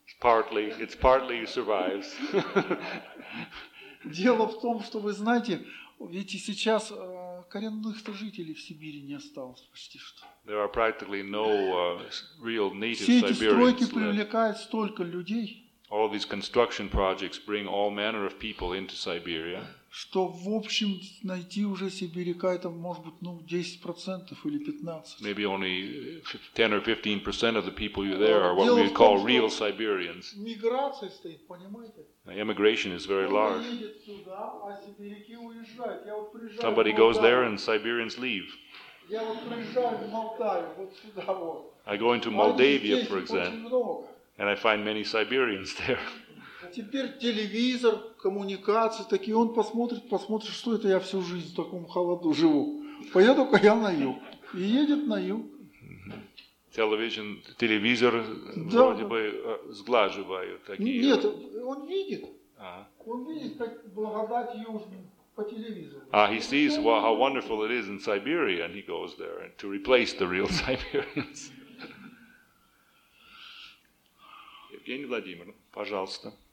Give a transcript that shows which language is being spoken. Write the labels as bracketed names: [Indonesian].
[English] Partly, it's partly survives. [Russian] Дело в том, что вы знаете, ведь сейчас коренных-то жителей в Сибири не осталось почти что. [English] There are practically no real native Siberians. [Russian] Все эти стройки привлекают столько людей. [English] All these construction projects bring all manner of people into Siberia. [Russian] Что, в общем, найти уже сибиряка, это может быть, ну, 10% или 15%. [English] Maybe only 10 or 15% of the people you there are what we call real Siberians. [Russian] Миграция стоит, понимаете? [English] Now, immigration is very large. [Russian] Сюда, а сибиряки уезжают. Я вот приезжаю. [English] Somebody goes there and Siberians leave. [Russian] Я вот приезжаю в Молдавию, вот сюда вот. [English] I go into Moldavia, for example. [Russian] Очень много. [English] And I find many Siberians there. [Russian] Теперь телевизор, коммуникации такие, он посмотрит, что это я всю жизнь в таком холоду живу. Поеду-ка я на юг. И едет на юг. [English] Television, [Russian] телевизор, да, вроде бы сглаживают такие. Нет, он видит. Он видит, как благодать южную. [English] He sees how wonderful it is in Siberia, and he goes there to replace the real Siberians. [Russian] Евгений Владимирович, пожалуйста.